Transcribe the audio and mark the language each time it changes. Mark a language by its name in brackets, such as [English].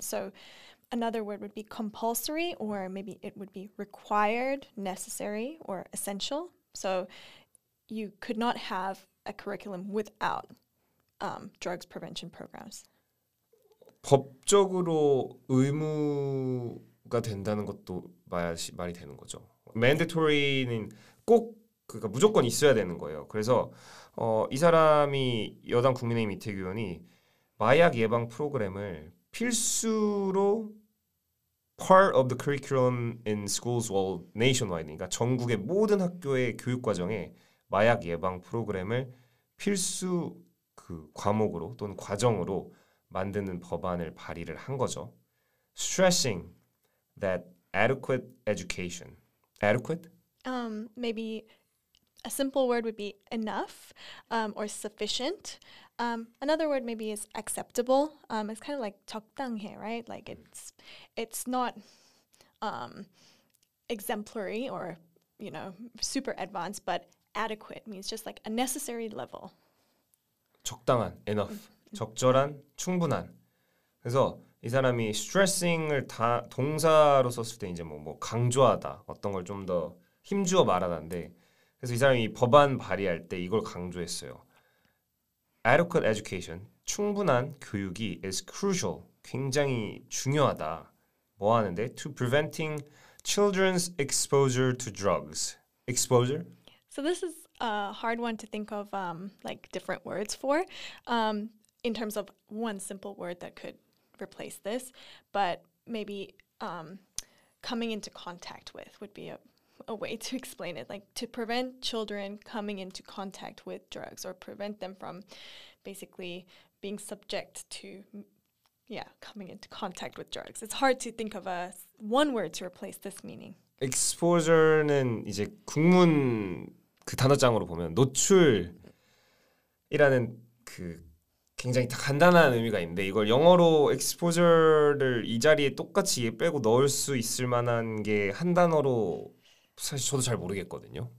[English] So another word would be compulsory or maybe it would be required, necessary or essential. So you could not have a curriculum without drugs prevention programs. [Korean] 법적으로 의무가 된다는 것도 말이 되는 거죠. Mandatory는 꼭 그러니까 무조건 있어야 되는 거예요. 그래서 이 사람이 여당 국민의힘 이태규 의원이 마약 예방 프로그램을 필수로 part of the curriculum in schools well nationwide 그러니까 전국의 모든 학교의 교육 과정에 마약 예방 프로그램을 필수 그 과목으로 또는 과정으로 만드는 법안을 발의를 한 거죠. [English] Stressing that adequate education. Adequate? Maybe a simple word would be enough or sufficient. Another word maybe is acceptable. It's kind of like 적당해, right? Like it's not exemplary or, you know, super advanced, but adequate means just like a necessary level. [Korean] 적당한, enough. 적절한, 충분한. 그래서 이 사람이 stressing을 다 동사로 썼을 때 이제 뭐 강조하다, 어떤 걸 좀 더 힘주어 말하다인데 그래서 이 사람이 법안 발의할 때 이걸 강조했어요. Adequate education, 충분한 교육이 is crucial, 굉장히 중요하다. 뭐 하는데? [English] To preventing children's exposure to drugs. Exposure? So this is a hard one to think of like different words for in terms of one simple word that could replace this, but maybe coming into contact with would be a way to explain it, like to prevent children coming into contact with drugs or prevent them from basically being subject to, yeah, coming into contact with drugs. It's hard to think of one word to replace this meaning. [Korean] Exposure는 이제 국문 그 단어장으로 보면 노출이라는 그 굉장히 간단한 의미가 있는데 이걸 영어로 exposure를 이 자리에 똑같이 빼고 넣을 수 있을 만한 게 한 단어로 사실 저도 잘 모르겠거든요.